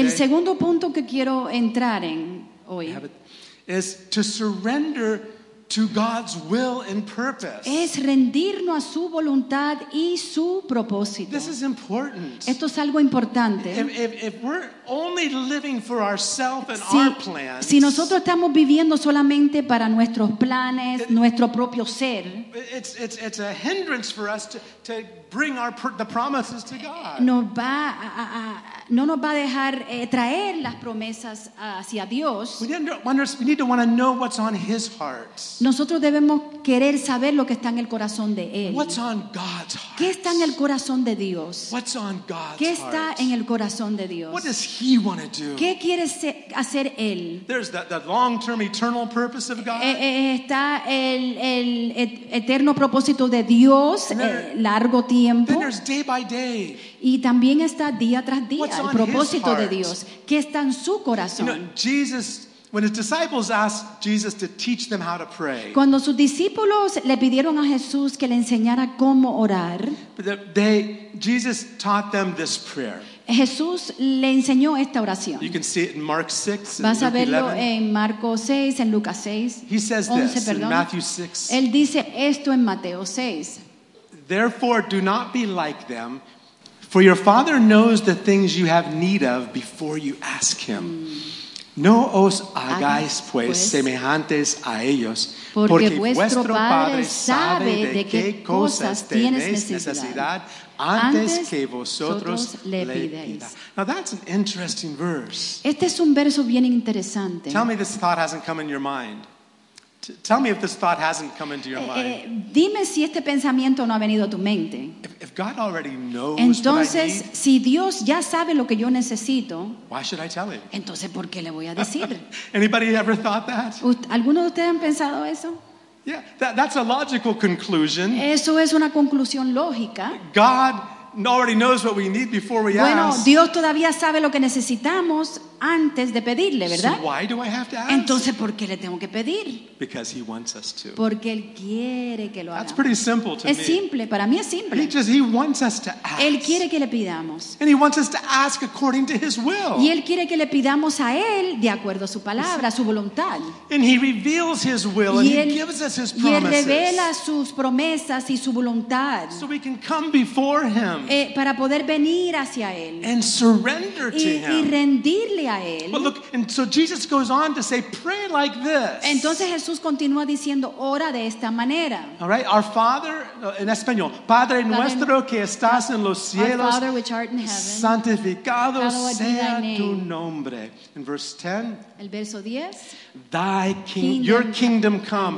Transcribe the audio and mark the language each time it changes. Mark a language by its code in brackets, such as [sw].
[es] El segundo punto que quiero entrar en hoy [en] is to surrender to God's will and purpose. [es] Es rendirnos a su voluntad y su propósito. [en] This is important. [es] Esto es algo importante. [en] If we're only living for ourselves and [es] si, [en] our plans, [es] si nosotros estamos viviendo solamente para nuestros planes, nuestro propio ser, [en] it's a hindrance for us to bring the promises to God. [es] No nos va a dejar traer las promesas hacia Dios. [en] We need to want to know what's on his heart. [es] Nosotros debemos querer saber lo que está en el corazón de él. [en] What's on God's heart? [es] ¿Qué está en el corazón de Dios? [en] What's on God's [es] ¿Qué está [en] heart? [es] En el corazón de Dios? [en] What does he want to do? [es] ¿Qué quiere ser, hacer Él? [en] There's the long-term eternal purpose of God. [es] Está el eterno propósito de Dios, largo tiempo. [en] Then there's day by day. [es] Y también está día tras día [en] What's [es] el propósito [en] on his [es] de Dios. ¿Qué está en su corazón? [en] You know, Jesus, when his disciples asked Jesus to teach them how to pray, [es] cuando sus discípulos le pidieron a Jesús que le enseñara cómo orar, [en] Jesus taught them this prayer. [es] Jesús le enseñó esta oración. [en] You can see it in Mark 6 and [es] Vas a [en] Luke [es] verlo [en] 11. [es] En Marcos 6, en Lucas 6. [en] He says [es] 11, [en] this [es] perdón. [en] In Matthew 6. [es] Él dice esto en Mateo 6. [en] Therefore, do not be like them, for your Father knows the things you have need of before you ask him. [es] No os hagáis pues semejantes a ellos, porque vuestro Padre sabe de qué cosas tenéis necesidad antes que vosotros le pidáis. [en] Now that's an interesting verse. [es] Este es un verso bien interesante. [en] Tell me this thought hasn't come in your mind. Tell me if this thought hasn't come into your mind. [es] Dime si este pensamiento no ha venido a tu mente. [en] If God already knows [es] entonces, [en] what I need, [es] si Dios ya sabe lo que yo necesito, [en] why should I tell him? [es] Entonces, ¿por qué le voy a decir? [en] Anybody ever thought that? [es] ¿Alguno de ustedes han pensado eso? [en] Yeah, that's a logical conclusion. [es] Eso es una conclusión lógica. [en] God already knows what we need before we [es] bueno, [en] ask. [es] Bueno, Dios todavía sabe lo que necesitamos antes de pedirle, ¿verdad? [en] So why do I have to ask? [es] Entonces, ¿por qué le tengo que pedir? [en] Because he wants us to. [es] Porque él quiere que lo haga. [en] That's pretty simple to [es] es [en] me. [es] Es simple, para mí es simple. [en] He wants us to ask. [es] Él quiere que le pidamos. [en] And he wants us to ask according to his will. [es] Y él quiere que le pidamos a él de acuerdo a su palabra, a su voluntad. [en] And he reveals his will and he gives us his promises. [es] Y él revela sus promesas y su voluntad. [en] So we can come before him. [es] Para poder venir hacia él. [en] And surrender to him. [es] Y rendirle a él. [en] But look, and so Jesus goes on to say, pray like this. [es] Entonces Jesús continúa diciendo, ora de esta manera. [en] All right, our Father, [es] en español, Padre nuestro que estás en los cielos, [en] our Father which art in heaven, [es] santificado sea tu nombre. [en] In verse 10, [es] el verso 10, [en] thy kingdom, your kingdom come,